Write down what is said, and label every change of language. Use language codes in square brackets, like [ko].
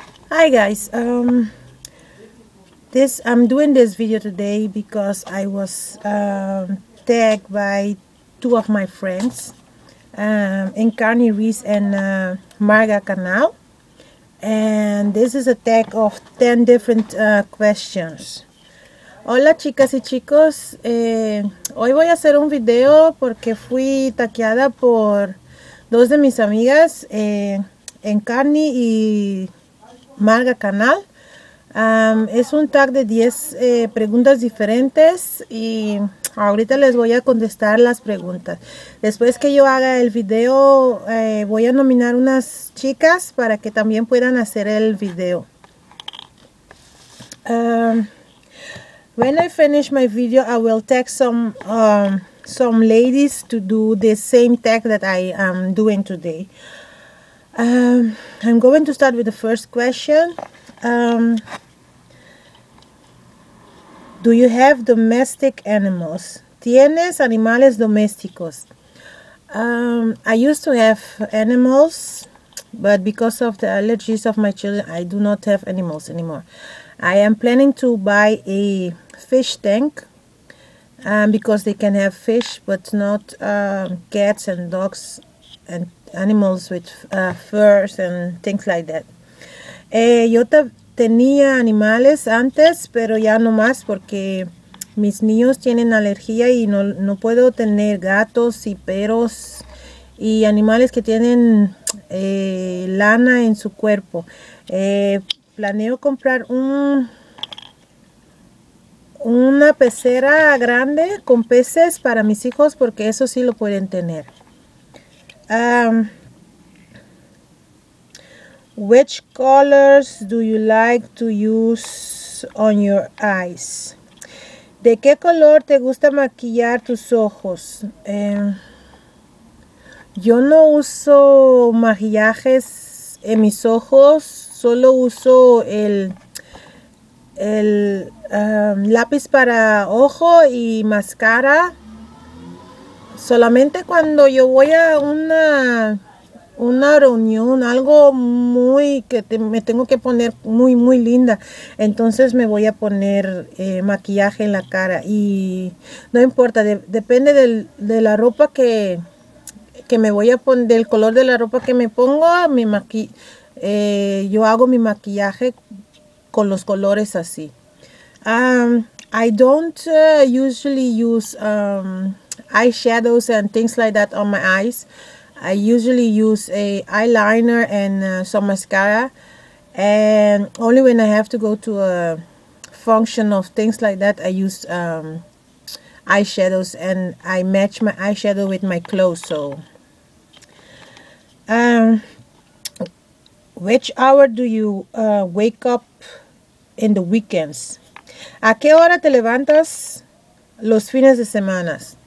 [en] Hi guys, I'm doing this video today because I was tagged by two of my friends, Incarni Reese and Marga Canal, and this is a tag of 10 different questions. [es] Hola chicas y chicos, hoy voy a hacer un video porque fui taqueada por dos de mis amigas, Incarni y Marga Canal. Es un tag de 10 preguntas diferentes y ahorita les voy a contestar las preguntas. Después que yo haga el video, voy a nominar unas chicas para que también puedan hacer el video. [en] When I finish my video, I will tag some ladies to do the same tag that I am doing today. I'm going to start with the first question. Do you have domestic animals? [es] ¿Tienes animales domésticos? [en] I used to have animals, but because of the allergies of my children, I do not have animals anymore. I am planning to buy a fish tank because they can have fish, but not cats and dogs and animals with furs and things like that. [es] Yo tenía animales antes, pero ya no más porque mis niños tienen alergia y no puedo tener gatos y perros y animales que tienen lana en su cuerpo. Planeo comprar una pecera grande con peces para mis hijos porque eso sí lo pueden tener. [en] Which colors do you like to use on your eyes? [es] ¿De qué color te gusta maquillar tus ojos? Yo no uso maquillajes en mis ojos, solo uso el lápiz para ojo y máscara. Solamente cuando yo voy a una reunión, algo muy que me tengo que poner muy muy linda, entonces me voy a poner maquillaje en la cara. Y no importa, depende de la ropa que me voy a poner, del color de la ropa que me pongo, yo hago mi maquillaje con los colores así. [en] I don't usually use eyeshadows and things like that on my eyes. I usually use a eyeliner and some mascara, and only when I have to go to a function of things like that, I use eyeshadows, and I match my eyeshadow with my clothes. So, which hour do you wake up in the weekends? [es] ¿A qué hora te levantas los fines de semana?